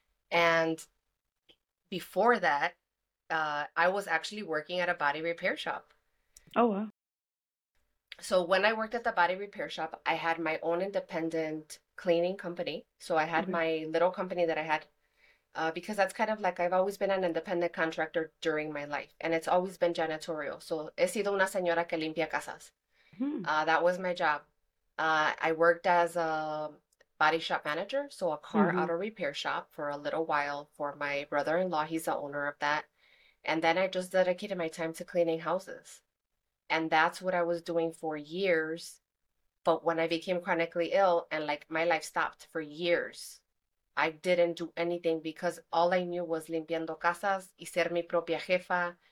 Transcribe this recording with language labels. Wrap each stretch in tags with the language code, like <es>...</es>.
<en>And before that, I was actually working at a body repair shop. So when I worked at the body repair shop, I had my own independent cleaning company. So I had my little company that I had, because that's kind of like, I've always been an independent contractor during my life, and it's always been janitorial.</en> <es>So he sido una señora que limpia casas.</es> <en>That was my job. I worked as a body shop manager, so a car auto repair shop, for a little while for my brother-in-law. He's the owner of that. And then I just dedicated my time to cleaning houses. And that's what I was doing for years. But when I became chronically ill, and like my life stopped for years, I didn't do anything, because all I knew was</en> <es>limpiando casas y ser mi propia jefa.</es>